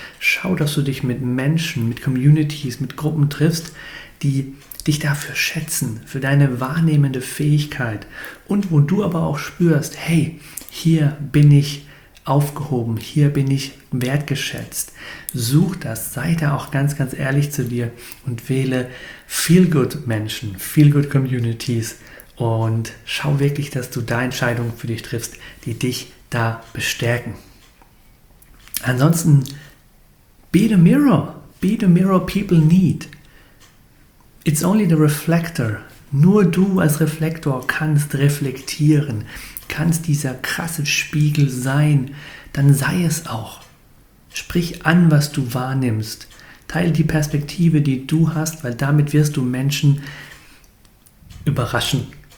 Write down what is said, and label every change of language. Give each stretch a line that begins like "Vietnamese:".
German: Schau, dass du dich mit Menschen, mit Communities, mit Gruppen triffst, die dich dafür schätzen, für deine wahrnehmende Fähigkeit und wo du aber auch spürst, hey, hier bin ich aufgehoben, hier bin ich wertgeschätzt. Such das, sei da auch ganz, ganz ehrlich zu dir und wähle Feel-Good-Menschen, Feel-Good-Communities und schau wirklich, dass du da Entscheidungen für dich triffst, die dich da bestärken. Ansonsten,
English: be the mirror people need. It's only the reflector.
German: Nur du als Reflektor kannst reflektieren, kannst dieser krasse Spiegel sein, dann sei es auch. Sprich an, was du wahrnimmst. Teile die Perspektive, die du hast, weil damit wirst du Menschen überraschen.